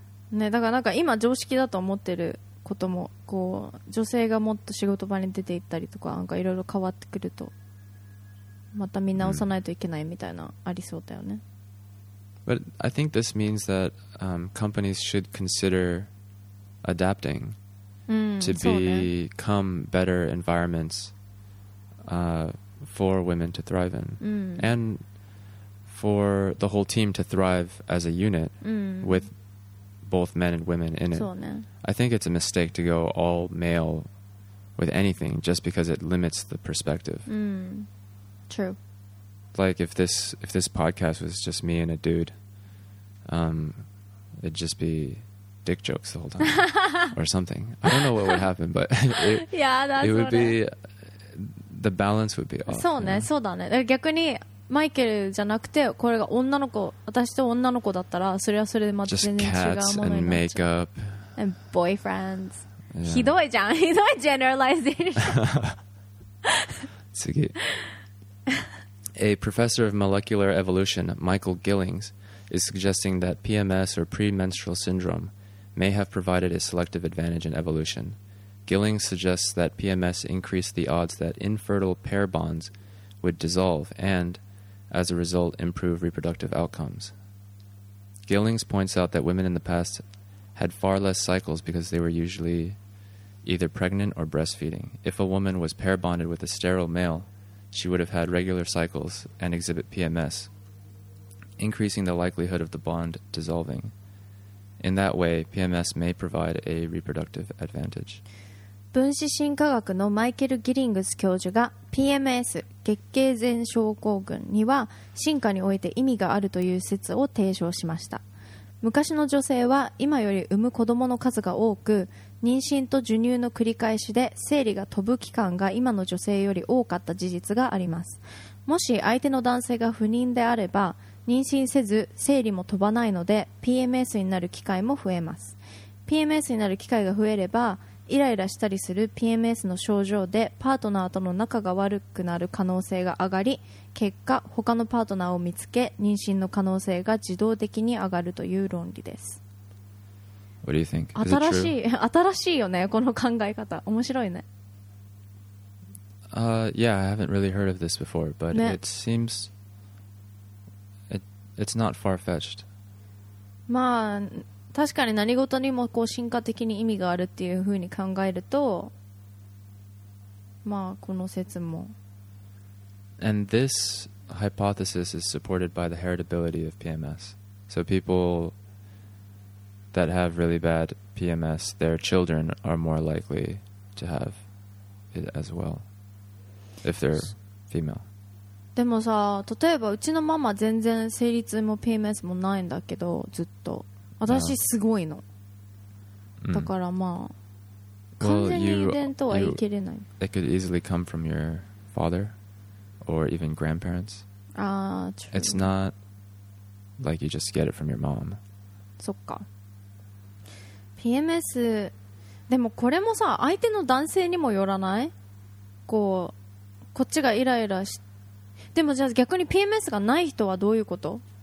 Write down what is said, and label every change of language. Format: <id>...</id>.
<ja>ね、だからなんか今常識だと思ってることも、こう、女性がもっと仕事場に出ていったりとか、なんかいろいろ変わってくると。また見直さないといけないみたいな、ありそうだよね。</ja> <en>But I think this means that companies should consider adapting to become better environments for women to thrive in. And for the whole team to thrive as a unit with both men and women in it.</en> <ja>そうね。</ja> <en>I think it's a mistake to go all male with anything just because it limits the perspective. True. Like if this podcast was just me and a dude, it'd just be dick jokes the whole time or something. I don't know what would happen, but the balance would be off.</en> <ja>そうね、そうだね。逆にマイケルじゃなくてこれが女の子、私と女の子だったらそれはそれでまた全然違うものになっちゃう。</ja> <en>Just cats and makeup and boyfriends.</en> <ja>ひどいじゃん。ひどい generalization.</ja> <en>次。A professor of molecular evolution, Michael Gillings, is suggesting that PMS or premenstrual syndrome may have provided a selective advantage in evolution. Gillings suggests that PMS increased the odds that infertile pair bonds would dissolve and, as a result, improve reproductive outcomes. Gillings points out that women in the past had far less cycles because they were usually either pregnant or breastfeeding. If a woman was pair bonded with a sterile male,she would have had regular cycles and exhibit PMS, increasing the likelihood of the bond dissolving. In that way, PMS may provide a reproductive advantage.</en> <ja>分子進化学のマイケル・ギリングス教授が PMS 月経前症候群には進化において意味があるという説を提唱しました。昔の女性は今より産む子供の数が多く、妊娠と授乳の繰り返しで生理が飛ぶ期間が今の女性より多かった事実があります。もし相手の男性が不妊であれば妊娠せず生理も飛ばないので PMS になる機会も増えます。 PMS になる機会が増えればイライラしたりする PMS の症状でパートナーとの仲が悪くなる可能性が上がり、結果他のパートナーを見つけ妊娠の可能性が自動的に上がるという論理です。</ja> <en>What do you think? Is it true?</en> <ja>新しいよね、この考え方。面白いね。</ja> <en>Yeah, I haven't really heard of this before, but it seems it's not far-fetched.</en> <ja>まあ、確かに何事にもこう進化的に意味があるっていうふうに考えると、まあこの説も。</ja> <en>And this hypothesis is supported by the heritability of PMS. So people that have really bad PMS, their children are more likely to have it as well, if they're female.</en> <ja>でもさ、例えばうちのママ全然生理痛も PMS もないんだけど、ずっと。私すごいの。だからまあ、完全に遺伝とは言い切れない。</ja> <en>It could easily come from your father or even grandparents. True. It's not like you just get it from your mom.</en> <ja>そっか。 PMS、でもこれもさ、相手の男性にもよらない? こう、こっちがイライラして、でもじゃあ逆に PMS がない人はどういうこと?</ja>